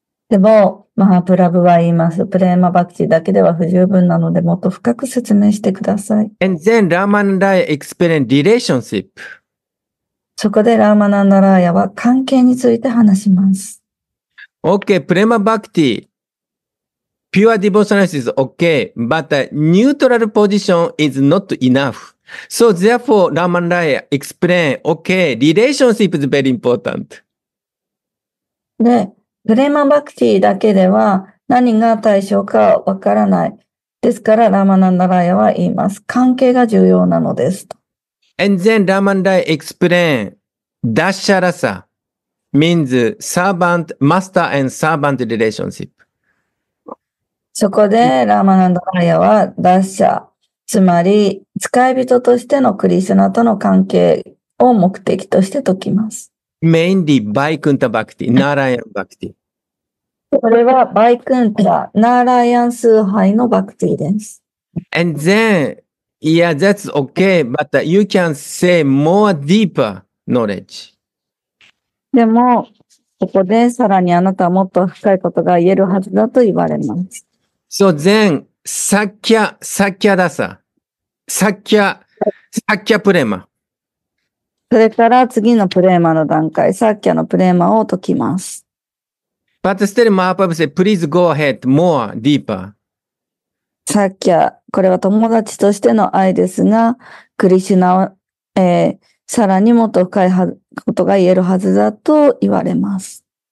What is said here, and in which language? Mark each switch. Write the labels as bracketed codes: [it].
[ja] でもマハプラブは言います。プレマバクティだけでは不十分なのでもっと深く説明してください。 [en] And then ラーマナンダラヤ explain relationship. [ja] そこでラーマナンダラヤは関係について話します。 [en] Okay, prema bhakti, pure devotional service is okay, but a neutral position is not enough. So therefore, Raman Raya explain, okay, relationship is very important. [ja] で、prema bhakti だけでは何が対象かわからない。ですから、Raman Raya は言います。関係が重要なのです。 [en] And then Raman Raya explain, dasharasa. means servant, master and servant relationship. [ja] そこでラーマナンダラヤはダッシャ、つまり使い人としてのクリシュナとの関係を目的として説きます。 [en] Mainly バイクンタバクティ、ナーラヤンバクティ。 [ja] これはバイクンタ、ナーラヤン崇拝のバクティです。 [en] And then, yeah, that's okay, but you can say more deeper knowledge. [ja] でも、ここでさらにあなたはもっと深いことが言えるはずだと言われます。 [en] So then, sakya dasa. Sakya prema. [ja] それから次のプレーマの段階、sakya のプレーマを解きます。 [en] But still, Mahaprabhu said, please go ahead, more, deeper. [ja] Sakya, これは友達としての愛ですが、クリシュナを、さらにもっと深いことが言えるはずだと言われます。